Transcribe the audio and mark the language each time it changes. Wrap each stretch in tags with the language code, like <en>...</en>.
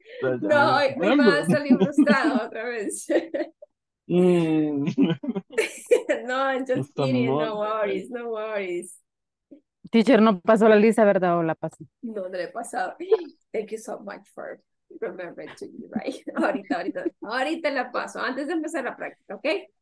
<es>No, me va a salir frustrado otra vez.</es> <en>No, I'm just it's kidding. Monday. No worries.</en> <es>Teacher, no pasó la lista, ¿verdad? O la pasó. No, no le he pasado.</es> <en>Thank you so much for remember it to you, right?</en> <es>Ahorita la paso antes de empezar la práctica, okay?</es>